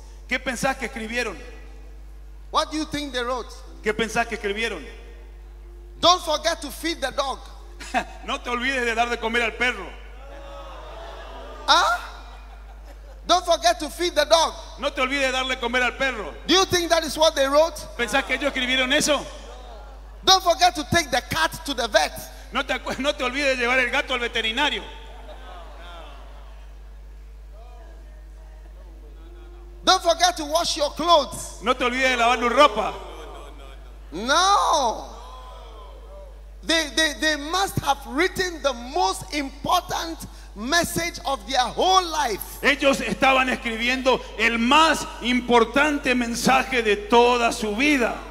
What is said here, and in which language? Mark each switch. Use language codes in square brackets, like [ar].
[es] ¿Qué pensás que escribieron? [en] What do you think they wrote? [es] ¿Qué pensás que escribieron? [en] Don't forget to feed the dog. [es] No te olvides de dar de comer al perro. [en] Huh? Don't forget to feed the dog. [es] No te olvides de darle comer al perro. [en] Do you think that is what they wrote? [es] ¿Pensás que ellos escribieron eso? [en] Don't forget to take the cat to the vet. [es] No te olvides de llevar el gato al veterinario. [en] Don't forget to wash your clothes. [es] No te olvides de lavar tu ropa. [en] No. They must have written the most important message of their whole life. [es] Ellos estaban escribiendo el más importante mensaje de toda su vida.